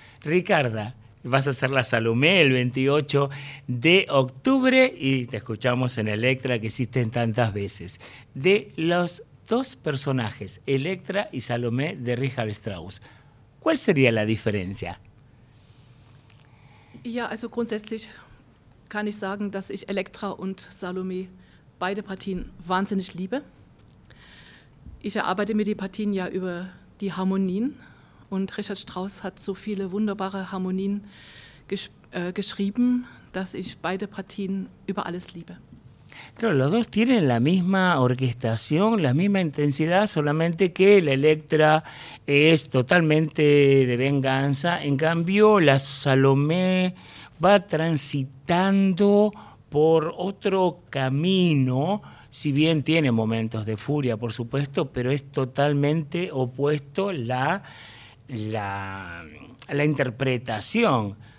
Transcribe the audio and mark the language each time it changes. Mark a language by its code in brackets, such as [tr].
[es] Ricarda, vas a hacer la Salomé el 28 de octubre y te escuchamos en Electra, que hiciste tantas veces. De los dos personajes, Electra y Salomé de Richard Strauss, ¿cuál sería la diferencia? [de] Ja, also grundsätzlich kann ich sagen, dass ich Elektra und Salomé, beide Partien, wahnsinnig liebe. Ich erarbeite mir die Partien ja über die Harmonien. Und Richard Strauss hat so viele wunderbare Harmonien geschrieben, dass ich beide Partien über alles liebe. [es] Claro, los dos tienen la misma orquestación, la misma intensidad, solamente que la Electra es totalmente de venganza. En cambio, la Salomé va transitando por otro camino, si bien tiene momentos de furia, por supuesto, pero es totalmente opuesto la interpretación.